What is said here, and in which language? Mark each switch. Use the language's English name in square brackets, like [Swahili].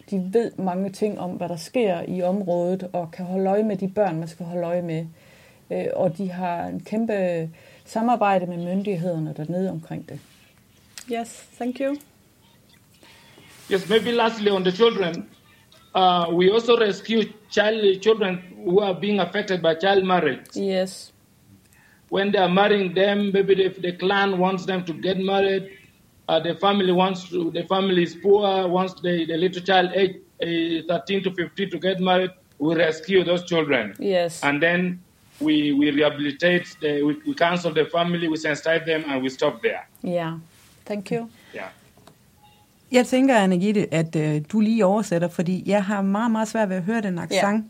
[Danish] De ved mange ting om, hvad der sker i området, og kan holde øje med de børn, man skal holde øje med. Og de har en kæmpe samarbejde med myndighederne dernede omkring det. [English] Yes, thank you. Yes, maybe lastly on the children. We also rescue children who are being affected by child marriage. Yes. When they are marrying them, maybe if the clan wants them to get married, the family is poor, wants the little child age 13 to 15 to get married, we rescue those children. Yes. And then we rehabilitate, we counsel the family, we sensitize them, and we stop there. Yeah. Thank you. Yeah. [Danish] Jeg tænker, Anne-Gitte, at du lige oversætter, fordi jeg har meget, meget svært ved at høre den accent.